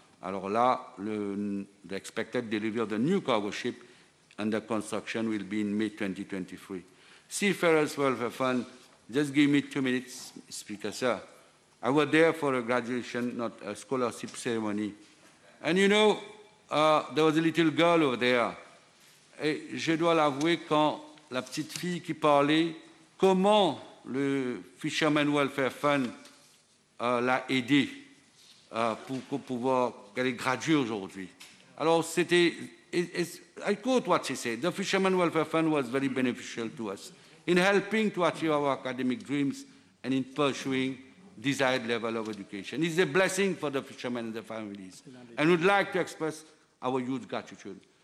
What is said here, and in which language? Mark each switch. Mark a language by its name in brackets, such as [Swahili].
[French] Alors là, [English] the expected delivery of the new cargo ship under construction will be in May 2023. Seafarers Welfare Fund, just give me 2 minutes, Speaker, sir. I was there for a graduation, not a scholarship ceremony. And you know, there was a little girl over there. [French] Et je dois l'avouer, quand la petite fille qui parlait, comment le Fisherman Welfare Fund l'a aidée pour pouvoir qu'elle ait gradué aujourd'hui. Alors c'était, [English] I quote what she said, the Fisherman Welfare Fund was very beneficial to us in helping to achieve our academic dreams and in pursuing desired level of education. It's a blessing for the fishermen and the families, and would like to express our huge gratitude.